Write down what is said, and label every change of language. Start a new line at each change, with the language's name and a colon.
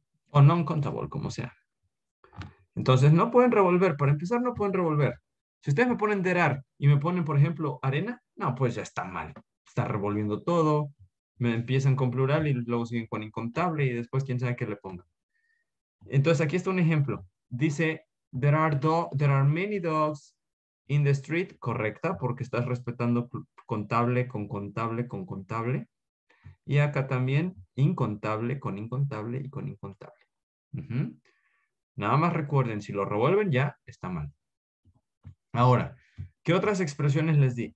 Spanish: O non-countable, como sea. Entonces, no pueden revolver. Para empezar, no pueden revolver. Si ustedes me ponen
English: there are
Spanish: y me ponen, por ejemplo, arena, no, pues ya está mal. Está revolviendo todo. Me empiezan con plural y luego siguen con incontable y después quién sabe qué le ponga. Entonces, aquí está un ejemplo. Dice,
English: there are many dogs in the street.
Spanish: Correcta, porque estás respetando contable con contable con contable. Y acá también, incontable con incontable y con incontable. Nada más recuerden, si lo revuelven ya está mal. Ahora, ¿qué otras expresiones les di?